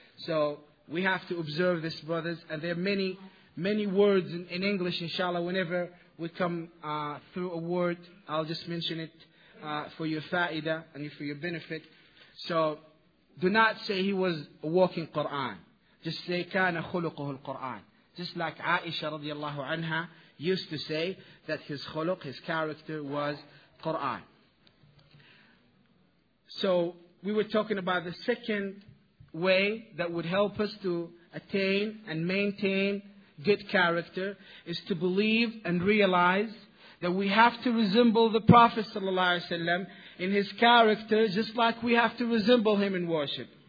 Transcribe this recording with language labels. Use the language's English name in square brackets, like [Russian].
[English] So we have to observe this, brothers, and there are many, many words in English, inshallah. Whenever we come through a word, I'll just mention it for your fa'idah and for your benefit. So do not say he was a walking Qur'an. [Arabic] Just say, كان خلقه القرآن. [English] Just like Aisha radiallahu anha used to say that his khuluq, his character was Qur'an. So we were talking about the second way that would help us to attain and maintain good character is to believe and realize that we have to resemble the Prophet sallallahu alaihi wasallam in his character, just like we have to resemble him in worship.